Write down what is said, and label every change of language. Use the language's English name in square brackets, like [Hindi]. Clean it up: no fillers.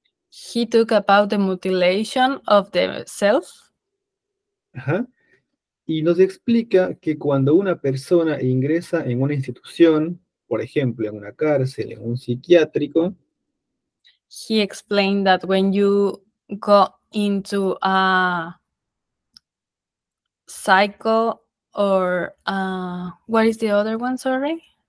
[English] He took about the mutilation of the self. Ajá. [Spanish] Y nos explica que cuando una persona ingresa en una institución, por ejemplo, en una cárcel, en un psiquiátrico. [English] He explained that when you go into a psycho or what is the other one, sorry?